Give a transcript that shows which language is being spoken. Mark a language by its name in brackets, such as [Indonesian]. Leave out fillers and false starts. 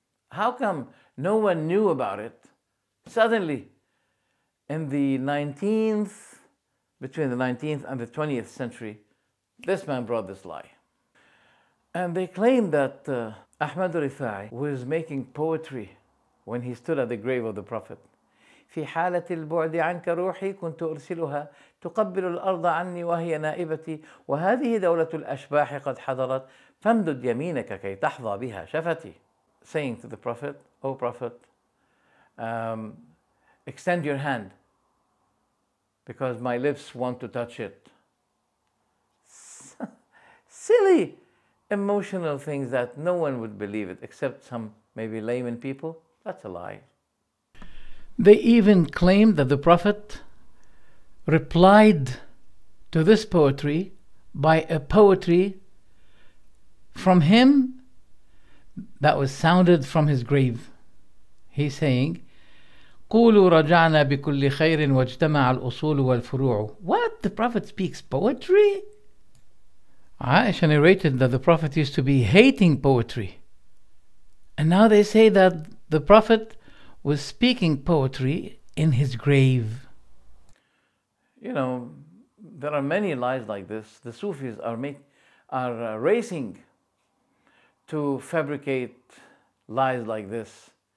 [English] How come no one knew about it? Suddenly, in the 19th, between the 19th and the 20th century, this man brought this lie. And they claim that Ahmad Rifaee was making poetry when he stood at the grave of the Prophet. [Arabic] في حالة البعد عنك روحي كنت أرسلها تقبل الأرض عني وهي نائبتي وهذه دولة الأشباح قد حضرت فامدد يمينك كي تحظى بها شفتي. [English] Saying to the Prophet, O Prophet, extend your hand because my lips want to touch it. Silly emotional things that no one would believe it except some maybe layman people. That's a lie. They even claim that the Prophet replied to this poetry by a poetry from him that was sounded from his grave. [Arabic] He's saying, قولوا رجعنا بكل خير واجتمع الأصول والفروع. [English] What? The Prophet speaks poetry? Aisha narrated that the Prophet used to be hating poetry. And now they say that the Prophet was speaking poetry in his grave. You know, there are many lies like this. The Sufis are racing to fabricate lies like this.